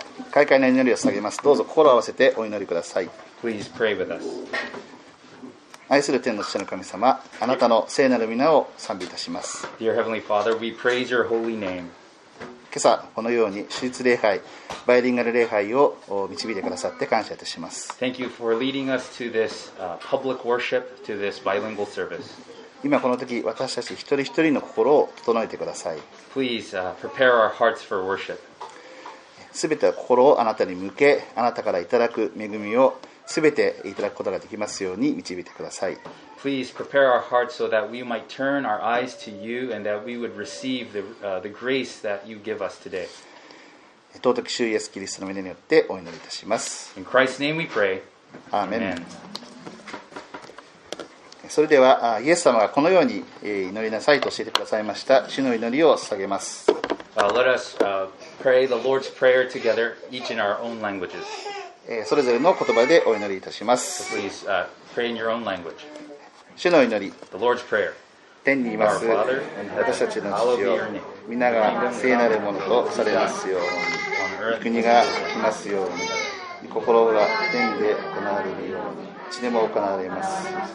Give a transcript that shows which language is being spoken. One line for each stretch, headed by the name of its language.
Japanese: 開会の祈りを捧げます。どうぞ心を合わせてお祈りください。
English: Please pray with us.
Japanese: 愛する天の父の神様、あなたの聖なる名を賛美いたします。
English: Dear Heavenly Father, we praise your holy name.
Japanese: 今朝このように主日礼拝、バイリンガル礼拝を導いてくださって感謝いたします。
English: Thank you for leading us to this public worship, to this bilingual service.
Japanese: 今この時私たち一人一人の心を整えてください。
English: Please prepare our hearts for worship.
Japanese: すべては心をあなたに向け、あなたからいただく恵みをすべていただくことができますように導いてください。
English: Please prepare our hearts so that we might turn our eyes to you and that we would receive the grace that you give us today.
Japanese: 尊き主イエスキリストの名によってお祈りいたします。
English: In Christ's name we pray. Amen.
Japanese: それではイエス様がこのように祈りなさいと教えてくださいました主の祈りを捧げます。
English: Let us pray the Lord's Prayer together, each in our own languages.
Japanese: それぞれの言葉でお祈りいたします。
English: So、please pray in your own language.
Japanese: 主の祈り。
English: The Lord's Prayer.
Japanese: 天にいます。私たちの父よ、皆が聖なるものとされますように、国が来ますように、心が天で行われるように、地でも行われます。